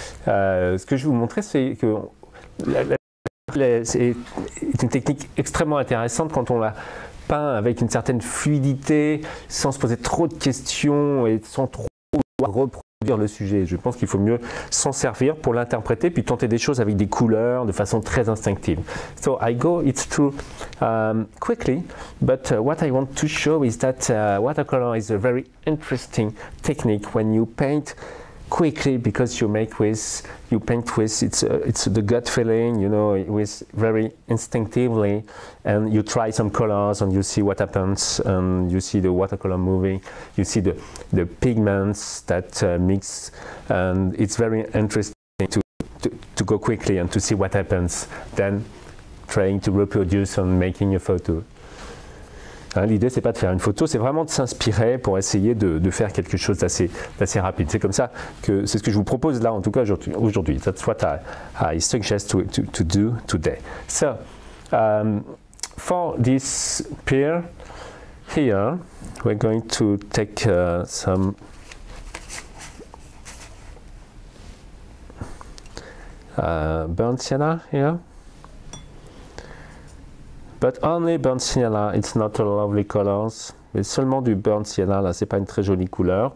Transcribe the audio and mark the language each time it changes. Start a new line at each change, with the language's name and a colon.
French: Ce que je vais vous montrer, c'est que c'est une technique extrêmement intéressante quand on la peint avec une certaine fluidité, sans se poser trop de questions et sans trop reproduire le sujet. Je pense qu'il faut mieux s'en servir pour l'interpréter, puis tenter des choses avec des couleurs de façon très instinctive.
English: So I go it through quickly, but what I want to show is that watercolor is a very interesting technique when you paint quickly, because it's the gut feeling, you know, with very instinctively, and you try some colors and you see what happens, and you see the watercolor moving, you see the pigments that mix, and it's very interesting to go quickly and to see what happens, then trying to reproduce and making a photo.
French: Hein, l'idée, c'est pas de faire une photo, c'est vraiment de s'inspirer pour essayer de faire quelque chose d'assez rapide. C'est comme ça que c'est ce que je vous propose là, en tout cas aujourd'hui.
English: That's what I suggest to do today. So, for this pier here, we're going to take some burnt sienna here. But only burnt sienna, it's not a lovely color.
French: Mais seulement du burnt sienna, là, c'est pas une très jolie couleur.